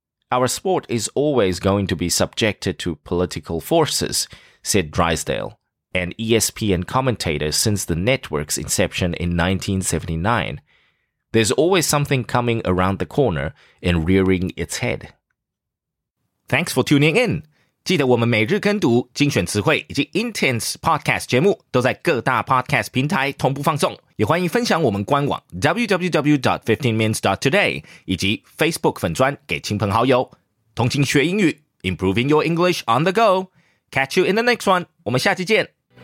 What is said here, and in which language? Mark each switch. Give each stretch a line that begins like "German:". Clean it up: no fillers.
English: Our sport is always going to be subjected to political forces, said Drysdale, an ESPN commentator since the network's inception in 1979,There's always something coming around the corner and rearing its head. Thanks for tuning in.
Chinese: 记得我们每日跟读精选词汇以及 Intense Podcast 节目都在各大 Podcast 平台同步放送。也欢迎分享我们官网 www.15mins.today 以及 Facebook 粉专给亲朋好友。同情学英语
English: ,improving your English on the go. Catch you in the next one.
Chinese: 我们下期见。